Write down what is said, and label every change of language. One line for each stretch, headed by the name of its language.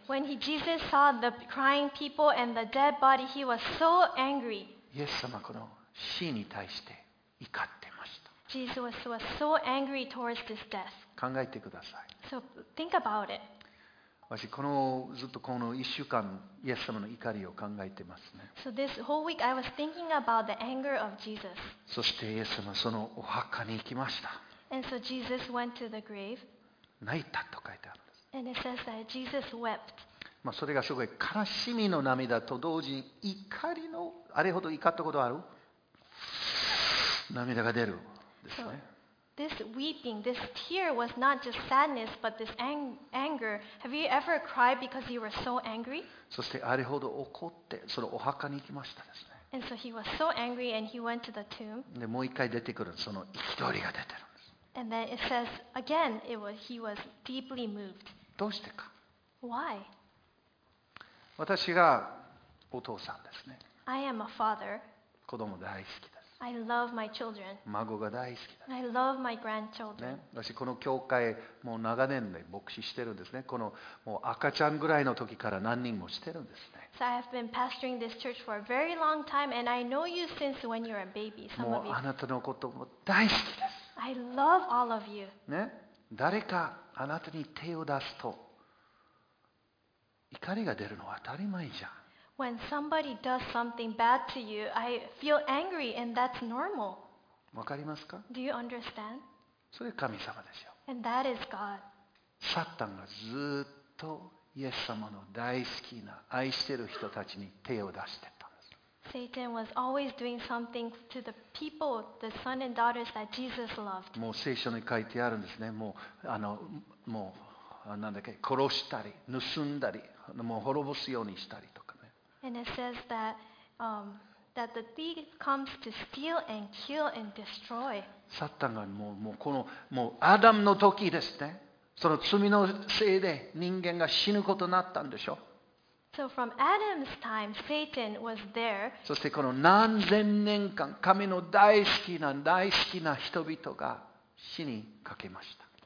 English: So, when Jesus saw the crying people and the dead body, he was so angry.
Japanese: イエス様この死に対して怒ってました。
English: Jesus was so angry towards this death.
Japanese: 考えてください。
English: So, think about it.
Japanese: 私このずっとこの1週間イエス様の怒りを考えてますね。
English: So, this whole week, I was thinking about the anger of Jesus.
Japanese: そしてイエス様そのお墓に行きました。
English: And so Jesus went to the grave.
Japanese: 泣いたと書いてあるんです。
English: And it says that Jesus wept.
Japanese: まあそれがすごい悲しみの涙と同時に怒りの、あれほど怒ったことある？涙が出るですね。
English: This weeping, this tear was not just sadness, but this anger. Have you ever cried because you were so angry?
Japanese: そしてあれほど怒って、そのお墓に行きましたですね。
English: And so he was so angry and he went to the tomb.
Japanese: で、もう一回出てくる、その憤りが出てるんです。
English: And then it says again, it was, he was deeply moved.
Japanese: どうしてか。
English: Why?
Japanese: 私がお父さんですね。
English: I am a father.
Japanese: 子供大好きです。
English: I love my children.
Japanese: 孫が大好きです。
English: I love my grandchildren.
Japanese: ね、私この教会もう長年で牧師してるんですね。このもう赤ちゃんぐらいの時から何人もしてるんですね。
English: So I have been pastoring this church for a very long time, and I know you since when you were a baby.
Japanese: もうあなたのことも大好きです。
English: I love all of you.
Japanese: ね、誰かあなたに手を出すと怒りが出るのは当たり前じゃん。
English: When somebody does something bad to you, I feel angry, and that's normal.
Japanese: わかりますか?
English: Do you understand?
Japanese: それが神様ですよ。
English: And that is God.
Japanese: サタンがずっとイエス様の大好きな愛してる人たちに手を出してたんです。
English: Satan was always doing something to the people, the son and daughters that Jesus loved.
Japanese: もう聖書に書いてあるんですね。もうもうなんだっけ、殺したり盗んだり、もう滅ぼすようにしたりとか。
English: And it says that that the thief comes to steal and kill and destroy.
Japanese: サタンがもうこのもうアダムの時ですね。その罪のせいで人間が死ぬことになったんでしょ。
English: So from Adam's time, Satan was there.
Japanese: そしてこの何千年間、神の大好きな大好きな人々が死にかけました。